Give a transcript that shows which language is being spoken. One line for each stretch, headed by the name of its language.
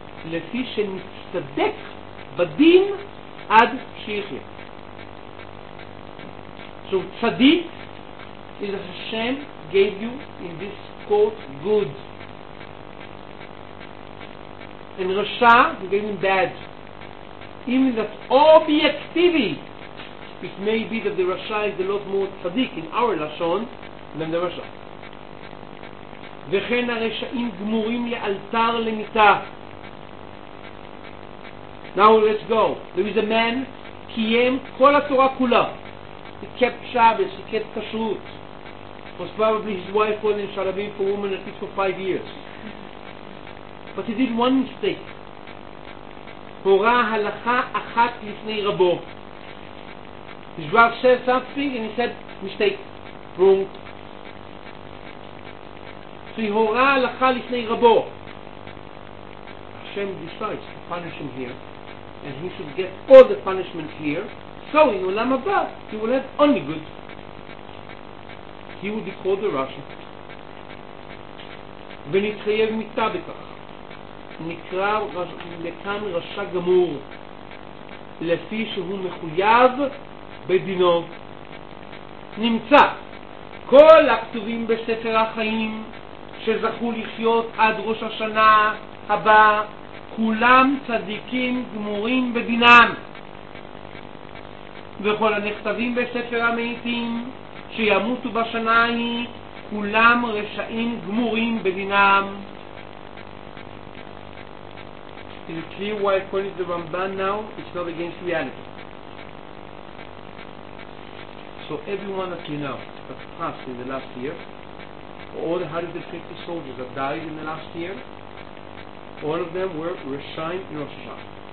Hebrew: לפי שנצטדק בדין עד שיחיה.
English: So צדיק is that Hashem gave you in this court good, and רשע he gave him bad. Even that objectively it may be that the רשע is a lot more צדיק in our לשון than the רשע.
Hebrew: וכן הרשעים גמורים לאלתר למיטה.
English: Now let's go. There is a man,
Hebrew: kiyem kol haTorah kula.
English: He kept Shabbos, he kept Kashrut. Most probably his wife was in Shalavim for women at least for 5 years. But he did one mistake.
Hebrew: Hora halacha achat lifnei rabo.
English: His rav said something and he said, mistake, wrong. So he hora halacha lifnei rabo. Hashem decides to punish him here, and he should get all the punishment here, so in Olam Haba he will have only good. He will be called the Rasha.
Hebrew: ונתחייב מיטה בכך, נקרא לכאן רשע גמור, לפי שהוא מחויב בדינו. נמצא כל הכתובים בספר החיים שזכו לחיות עד ראש השנה הבא, כולם צדיקים גמורים בדינם, וכל הנכתבים בספר המתים שימותו בשנה ההיא, כולם רשעים גמורים בדינם.
English: Is it clear why according to the Ramban now it's not against reality? So everyone that you know that passed in the last year, all the 150 soldiers that died in the last year, all of them were Rishayim in Rosh Hashanah.